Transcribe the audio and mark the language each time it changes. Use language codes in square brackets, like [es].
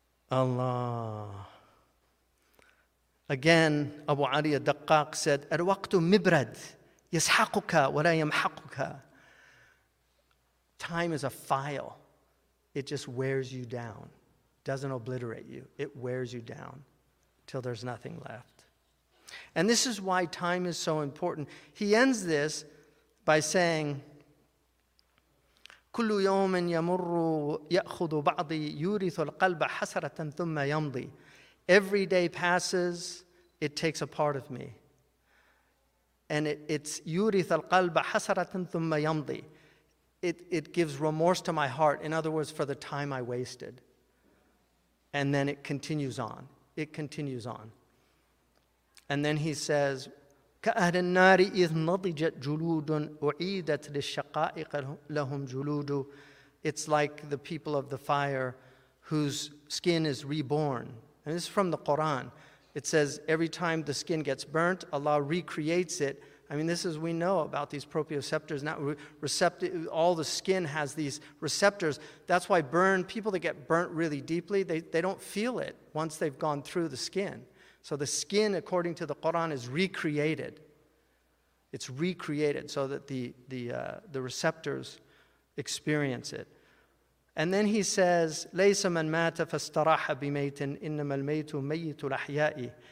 [en] Allah. Again, Abu Ali al-Daqaq said, [ar] "Al-waqtu mibrad, yashaquka wa la yamhaquka." [en] Time is a file. It just wears you down. Doesn't obliterate you. It wears you down till there's nothing left. And this is why time is so important. He ends this by saying, [ar] كُلُّ يَوْمٍ يَمُرُّ يَأْخُذُ بَعْضِي يُورِثُ الْقَلْبَ حَسَرَةً ثُمَّ يَمْضِي. [en] Every day passes, it takes a part of me. And it's [ar] يُورِثُ الْقَلْبَ حَسَرَةً ثُمَّ يَمْضِي. [en] It gives remorse to my heart. In other words, for the time I wasted. And then it continues on. It continues on. And then he says, [ar] كَأَهْلِ النَّارِ إِذْ نَضِجَتْ جُلُودٌ أُعِيدَتْ لِلشَّقَائِقَ لَهُمْ جُلُودُ. [en] It's like the people of the fire whose skin is reborn. And this is from the Quran. It says, every time the skin gets burnt, Allah recreates it. I mean, this is, we know about these proprioceptors. Now, all the skin has these receptors. That's why people that get burnt really deeply, they don't feel it once they've gone through the skin. So the skin, according to the Quran, is recreated. It's recreated so that the receptors experience it. And then he says, [ar] لَيْسَ مَنْ مَاتَ فَاسْتَرَاحَ بِمَيْتٍ إِنَّمَا الْمَيْتُ مَيِّتُ الْأَحْيَاءِ.